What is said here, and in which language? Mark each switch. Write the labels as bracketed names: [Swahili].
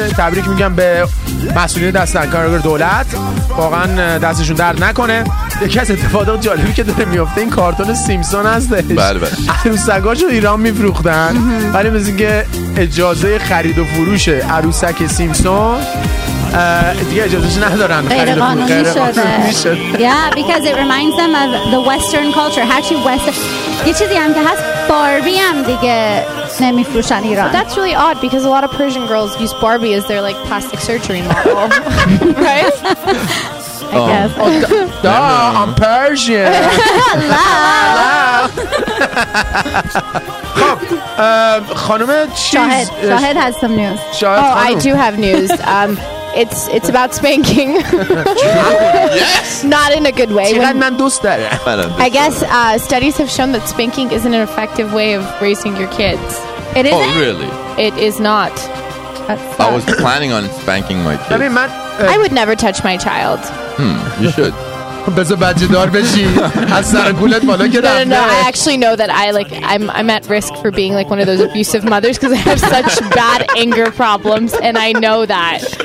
[Persian] تبریک میگم به مسئولین دستنکارگر دولت واقعا دستشون درد نکنه. یکی از اتفاقات جالبی که داره میفته این کارتون سیمسون هستش. بله بله. عروسکاشو ایران میفروختن ولی مثل اینکه اجازه خرید و فروش عروسک سیمسون دیگه اجازهش ندارن. [English] Yeah, because it reminds them of the Western culture. [Persian] هرچی Western. یه چیزی هم که هست باربی هم دیگه نمیفروشن ایران. [English] That's really odd because a lot of Persian girls use Barbie as their like plastic surgery model. Right? I guess. I'm Persian. [Persian] خانم [English] شاهد. Shahed has some news. [Persian] شاهد [English] خانم. Oh, I do have news. It's about spanking. Yes. Not in a good way. I guess studies have shown that spanking isn't an effective way of raising your kids. It isn't. Oh, really? It is not. I was planning on spanking my kids. I would never touch my child. You should. [Persian] بذار بچه دار بشی از سرگولت بالا که رفته. [English] No, I actually know that I'm at risk for being like one of those abusive mothers because I have such bad anger problems and I know that.